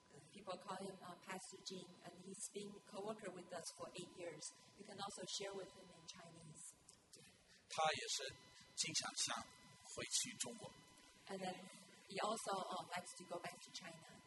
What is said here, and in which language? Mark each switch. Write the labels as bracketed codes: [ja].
[en] People call him Pastor Jin, and he's been co-worker with us for 8 years. You can also share with him in Chinese. [zh] 他也是经常想回去中国。 [en] And then he also likes to go back to China.